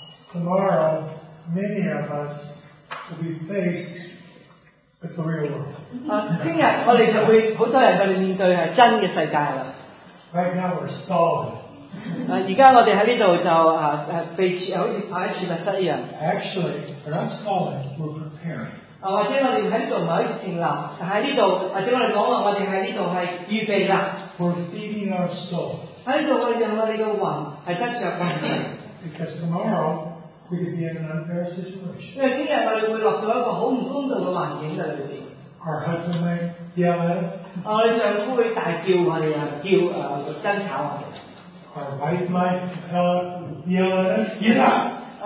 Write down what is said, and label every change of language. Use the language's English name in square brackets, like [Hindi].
[English] Tomorrow, many of us will be faced with the real world. [Cantonese] 今日我哋就會好多人喺度面對係真嘅世界啦。 [English] Right now we're stalling. [Cantonese] 而家我哋喺呢度就被好似擺喺儲物室一樣。 [English] Actually, we're not stalling, we're preparing. [Cantonese] 或者我哋喺度唔係好似停留，但喺呢度，或者我哋講話，我哋喺呢度係預備啦。 [English] We're feeding our soul. [Cantonese] 喺呢度我哋用我哋嘅魂係得著緊。 [English] Because tomorrow we could be in an unfair situation. [Cantonese] 因為今日我哋會落到一個好唔公道嘅環境裏邊。 [English] Our husband might yell at us. [Cantonese] 我哋丈夫會大叫我哋啊，叫爭吵我哋。 [English] Our wife might yell at us, get up!